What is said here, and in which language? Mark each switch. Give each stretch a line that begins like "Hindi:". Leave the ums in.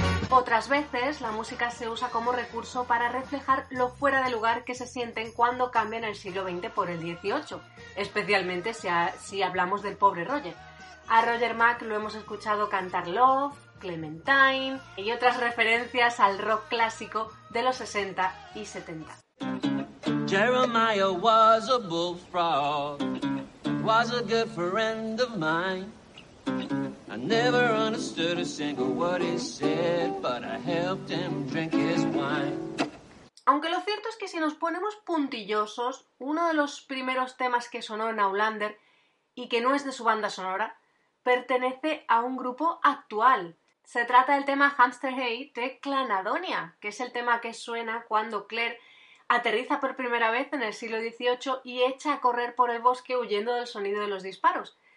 Spanish: Muchas veces la música se usa como recurso para reflejar lo fuera de lugar que se sienten cuando cambian el siglo XX por el XVIII, especialmente si, ha- si hablamos del pobre Roger. A Roger Mack lo hemos escuchado cantar Love, Clementine y otras referencias al rock clásico de los 60 y 70.
English: Jeremiah was a bullfrog, was a good friend of mine. I never understood a single word he said, but I helped him drink his wine.
Spanish: Aunque lo cierto es que si nos ponemos puntillosos, uno de los primeros temas que sonó en Aulander y que no es de su banda sonora, pertenece a un grupo actual. Se trata del tema Hamster Hay de Clanadonia, que es el tema que suena cuando Claire aterriza por primera vez en el siglo XVIII y echa a correr por el bosque huyendo del sonido de los disparos.